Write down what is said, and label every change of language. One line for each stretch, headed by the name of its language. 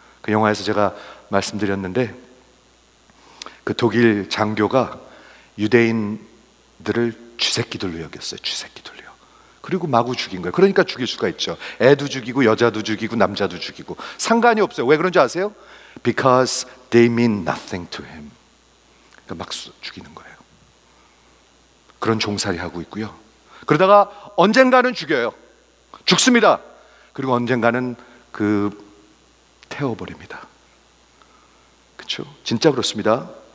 Korean: 그 영화에서 제가 말씀드렸는데 그 독일 장교가 유대인들을 쥐새끼들로 여겼어요. 쥐새끼들로요. 그리고 마구 죽인 거예요. 그러니까 죽일 수가 있죠. 애도 죽이고 여자도 죽이고 남자도 죽이고 상관이 없어요. 왜 그런지 아세요?
English: Because they mean nothing to him.
Korean: 그러니까 막 죽이는 거예요. 그런 종살이 하고 있고요. 그러다가 언젠가는 죽여요. 죽습니다. 그리고 언젠가는 그 태워버립니다. 그렇죠? 진짜 그렇습니다.